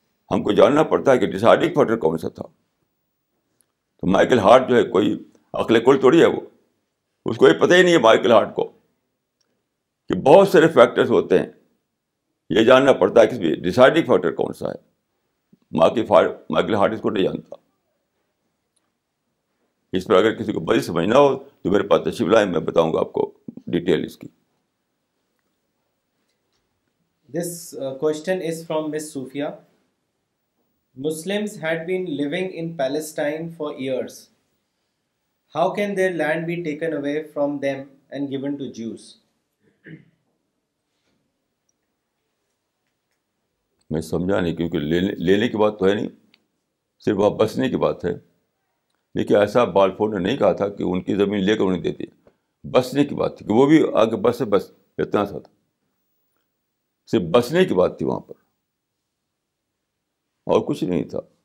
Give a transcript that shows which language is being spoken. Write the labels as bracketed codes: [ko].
[ur] ہم کو جاننا پڑتا ہے کہ ڈیسائڈنگ فیکٹر کون سا تھا. تو مائیکل ہارٹ جو ہے کوئی عقل کل توڑی ہے, وہ اس کو یہ پتہ ہی نہیں ہے مائیکل ہارٹ کو کہ بہت سارے فیکٹرز ہوتے ہیں یہ جاننا پڑتا ہے کہ ڈسائڈنگ فیکٹر کون سا ہے. ماں کی فائر مائیکل ہارٹ اس کو نہیں جانتا. اس پر اگر کسی کو بڑی سمجھنا ہو تو میرے پاس تشریف لائیں, میں بتاؤں گا آپ کو ڈیٹیل اس کی. [en] This question is from Miss Sufia. Muslims had been living in Palestine for years. How can their land be taken away from them and given to Jews? [ur] میں سمجھا نہیں, کیونکہ لینے کی بات تو ہے نہیں, صرف وہاں بسنے کی بات ہے. لیکن ایسا بالفور نے نہیں کہا تھا کہ ان کی زمین لے کر انہیں دے دی, بسنے کی بات تھی کہ وہ بھی آگے بس سے بس اتنا سا تھا, صرف بسنے کی بات تھی وہاں پر اور کچھ نہیں تھا.